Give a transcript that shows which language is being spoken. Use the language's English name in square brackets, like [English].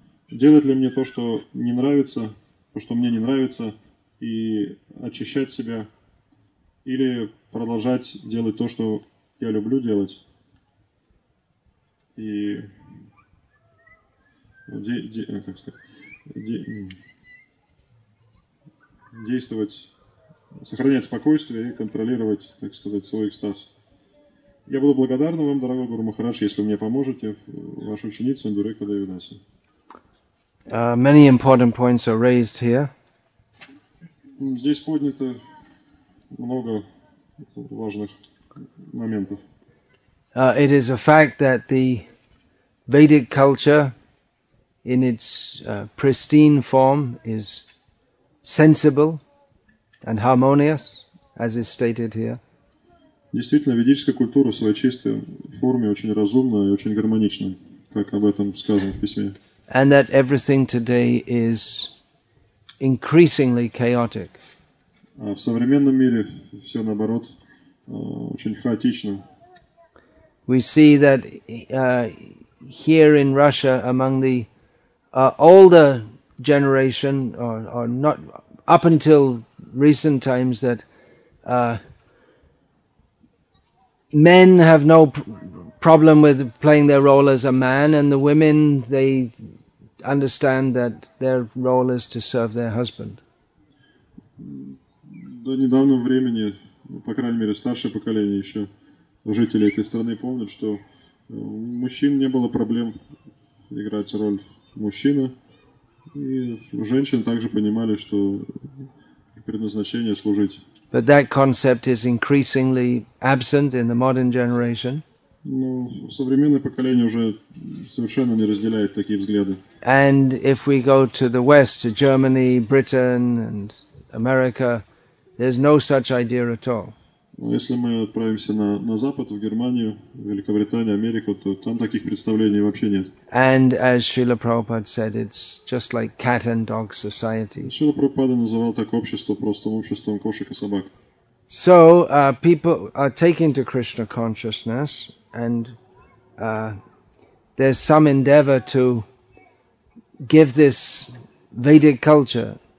[Russian] Делать ли мне то, что не нравится, то, что мне не нравится, и очищать себя, или продолжать делать то, что я люблю делать, и действовать, сохранять спокойствие и контролировать, так сказать, свой экстаз. Я буду благодарна вам, дорогой Гуру Махарадж, если вы мне поможете, ваша ученица Индурека Девидаси. [English] Many important points are raised here. [Russian] Здесь поднято много важных моментов. [English] It is a fact that the Vedic culture in its pristine form is sensible and harmonious, as is stated here. [Russian] Действительно, ведическая культура в своей чистой форме очень разумная и очень гармонична, как об этом сказано в письме. [English] And that everything today is increasingly chaotic. [Russian] А в современном мире все наоборот очень хаотично. [English] We see that here in Russia, among the older generation, or not up until recent times, that men have no problem with playing their role as a man, and the women, they understand that their role is to serve their husband. [Russian] До недавнего времени, по крайней мере, старшее поколение еще, жители этой страны помнят, что у мужчин не было проблем играть роль мужчины, и женщины также понимали, что предназначение служить. [English] But that concept is increasingly absent in the modern generation. [Russian] Но современное поколение уже совершенно не разделяет такие взгляды. [English] And if we go to the West, to Germany, Britain and America, there's no such idea at all. [Russian] Но если мы отправимся на Запад, в Германию, Великобританию, Америку, то там таких представлений вообще нет. [English] And as Srila Prabhupada said, it's just like cat and dog society. [Russian] Srila Prabhupada называл так общество просто обществом кошек и собак. [English] So people are taken to Krishna consciousness, and there's some endeavor to give this Vedic culture.